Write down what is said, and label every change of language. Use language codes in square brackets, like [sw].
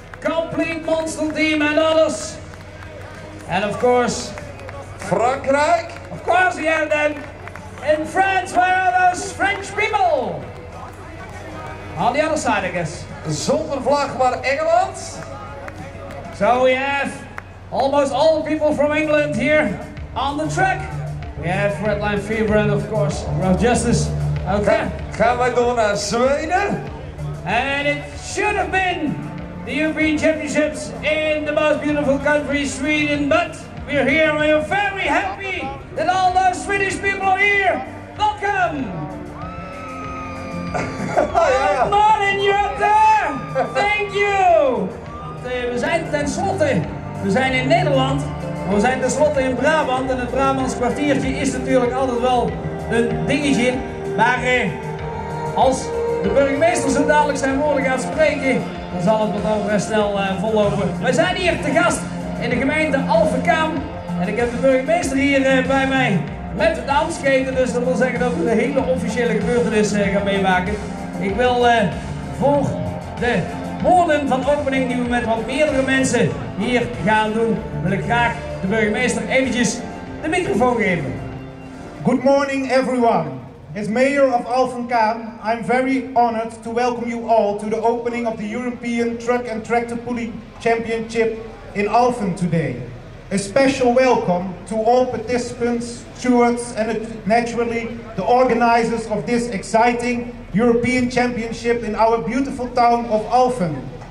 [en] Complete Monster Team and others. And of course... [nl] Frankrijk. [en] Of course, yeah, then. In France, where are those French people? On the other side, I guess. [nl] Zonder vlag, maar Engeland. [en] So we have almost all the people from England here on the track. We have Redline Fever and of course, Rough Justice. Okay. [nl] Gaan wij door naar Zweden. [en] And it should have been the European Championships in the most beautiful country, Sweden, but we're here and we're very happy that all those Swedish people are here. Welcome! Good morning, you're up there! Thank you! [nl] We zijn tenslotte, we zijn in Nederland, maar we zijn tenslotte in Brabant en het Brabants kwartiertje is natuurlijk altijd wel een dingetje, maar als de burgemeester zo dadelijk zijn woorden gaat spreken, dan zal het wat overigens snel vollopen. Wij zijn hier te gast in de gemeente Alphekam en ik heb de burgemeester hier bij mij met de damsketen, dus dat wil zeggen dat we de hele officiële gebeurtenis gaan meemaken. Ik wil voor de woorden van de opening die we met wat meerdere mensen hier gaan doen, wil ik graag de burgemeester eventjes de microfoon geven. [en] Good morning everyone. As mayor of Alphekam, I'm very honored to welcome you all to the opening of the European Truck and Tractor Pulling Championship in Alphen today. A special welcome to all participants, stewards and naturally the organizers of this exciting European Championship in our beautiful town of Alphen.